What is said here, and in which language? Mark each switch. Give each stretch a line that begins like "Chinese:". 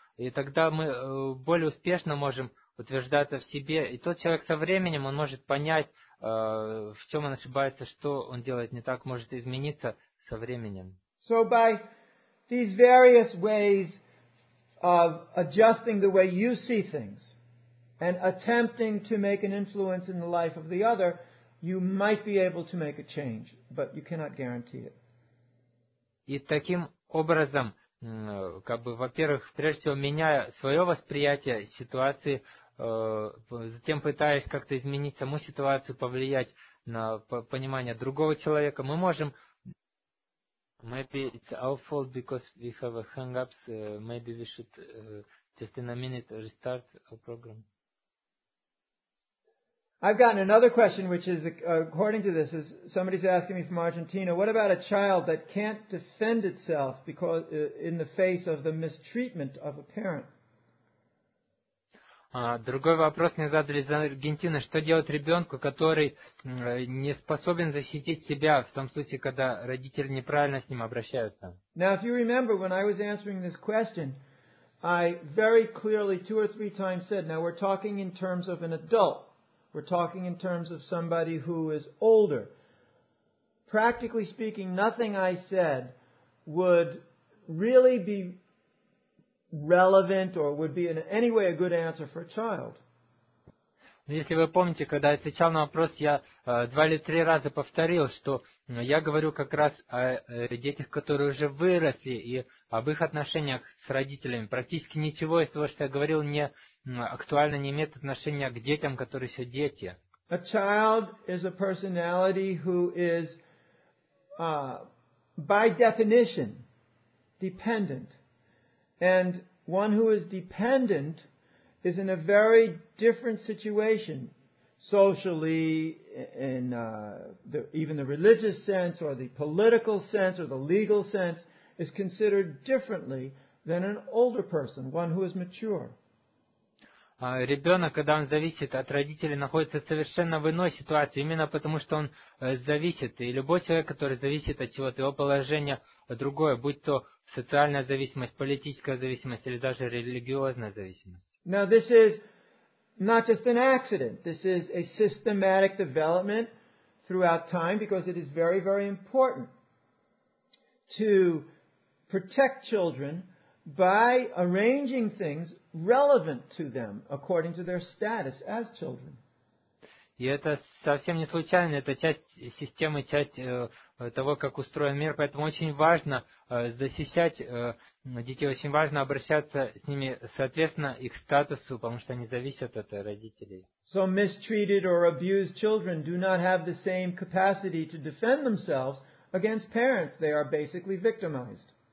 Russian: и тогда мы более успешно можем утверждаться в себе, и тот человек со временем, он может понять, в чем он ошибается, что он делает не так, может измениться со временем.
English: So by these various ways of adjusting the way you see things and attempting to make an influence in the life of the other, you might be able to make a change, but you cannot guarantee it.
Russian: И таким образом, как бы, во-первых, прежде всего, меняя свое восприятие ситуации, затем пытаясь как-то изменить саму ситуацию, повлиять на понимание другого человека, мы можем...
English: Maybe it's our fault because we have hang-ups. Maybe we should just in a minute restart our program. I've gotten another question, which is, according to this, is somebody's asking me from Argentina, what about a child that can't defend itself because in the face of the mistreatment of a parent?
Russian: Другой вопрос мне задали из Аргентины. Что делать ребенку, который не способен защитить себя в том случае, когда родители неправильно с ним обращаются?
English: Now, if you remember, when I was answering this question, I very clearly two or three times said, now we're talking in terms of an adult. We're talking in terms of somebody who is older. Practically speaking, nothing I said would really be relevant or would be in any way a good answer for a child.
Russian: Если вы помните, когда я отвечал на вопрос, я два или три раза повторил, что я говорю как раз о детях, которые уже выросли, и об их отношениях с родителями. Практически ничего из того, что я говорил, не актуально, не имеет отношения к детям, которые еще дети.
English: A child is a personality who is, by definition, dependent. And one who is dependent is in a very different situation, socially, in even the religious sense, or the political sense, or the legal sense, is considered differently than an older person, one who is mature.
Russian: Ребенок, когда он зависит от родителей, находится совершенно в иной ситуации, именно потому что он зависит, и любой человек, который зависит от чего-то, его положение другое, будь то социальная зависимость, политическая зависимость или даже религиозная зависимость.
English: Now this is not just an accident. This is a systematic development throughout time because it is very, very important to protect children by arranging things relevant to them according to their status as children.
Russian: И это совсем не случайно, это часть системы, часть того, как устроен мир, поэтому очень важно защищать детей, очень важно обращаться с ними соответственно их статусу, потому что они зависят от родителей.
English: So mistreated or abused children do not have the same capacity to defend themselves against parents. They are basically victimized.